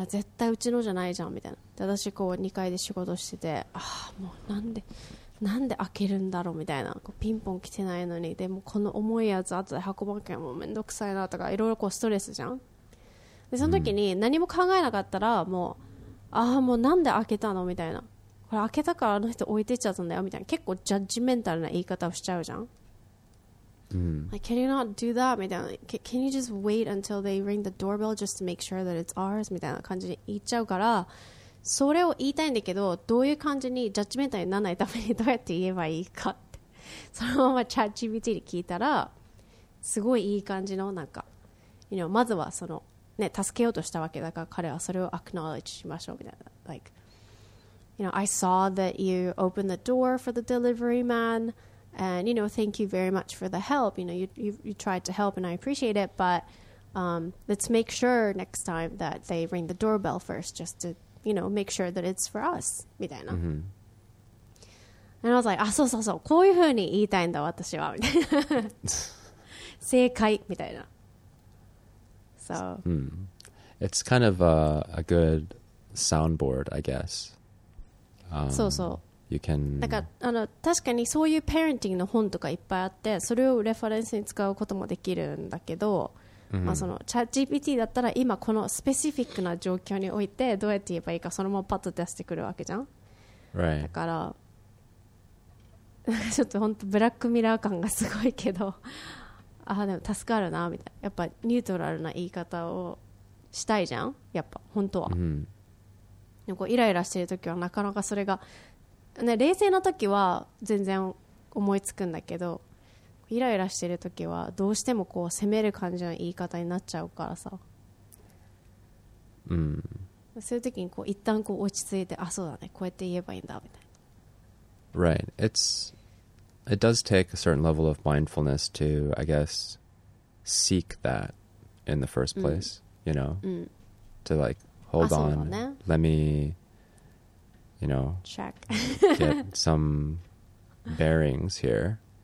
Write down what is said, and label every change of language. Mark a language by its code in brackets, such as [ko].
[ja] あ、絶対うちのじゃないじゃんみたいな。で、私こう2階で仕事してて、あ、もうなんで開けるんだろうみたいな、こうピンポン来てないのに、でもこの重いやつ後で運ばなきゃもうめんどくさいなとか、いろいろこうストレスじゃん。で、その時に何も考えなかったら、もう、うん、あ、もうなんで開けたのみたいな、これ開けたからあの人置いてっちゃったんだよみたいな、結構ジャッジメンタルな言い方をしちゃうじゃん。 Mm. [en] Like, can you not do that? [ja] みたいな。 [en] Can you just wait until they ring the doorbell just to make sure that it's ours? [ja] みたいな感じで言っちゃうから、それを言いたいんだけど、どういう感じにジャッジメンタルにならないためにどうやって言えばいいかって。そのままチャット GPT に聞いたら、すごいいい感じの、なんか、 [en] you know, [ja] まずはその、ね、助けようとしたわけだから、彼はそれを acknowledge しましょうみたいな。 [en] Like, you know, I saw that you opened the door for the delivery man. And, you know, thank you very much for the help. You know, you tried to help and I appreciate it, but、let's make sure next time that they ring the doorbell first just to, you know, make sure that it's for us, [ja] みたいな。 Mm-hmm. [en] And I was like, [ja] あ、そうそうそう、こういうふうに言いたいんだ、私は、みたいな。正解、みたいな。 [en] So. Mm. It's kind of a good soundboard, I guess.、 [ja] そうそう。 [en] You can... [ja] なんか、あの、確かにそういうパレンティングの本とかいっぱいあって、それをレファレンスに使うこともできるんだけど、mm-hmm. まあ、そのチャット GPT だったら今このスペシフィックな状況においてどうやって言えばいいかそのままパッと出してくるわけじゃん、 [en] right. [ja] だからちょっと本当ブラックミラー感がすごいけど、あ、でも助かるなみたいな。やっぱニュートラルな言い方をしたいじゃん、やっぱ本当は、 mm-hmm. でもこうイライラしてるときはなかなかそれがね、冷静な時は全然思いつくんだけど、イライラしてる時はどうしてもこう責める感じの言い方になっちゃうからさ、うん、そういう時にこう一旦こう落ち着いて、あ、そうだね、こうやって言えばいいんだみたいな。 [en] Right. It does take a certain level of mindfulness to, I guess, seek that in the first place,、うん、 you know,、うん、 to like hold on、ね、 let meYou know, check. get some bearings here.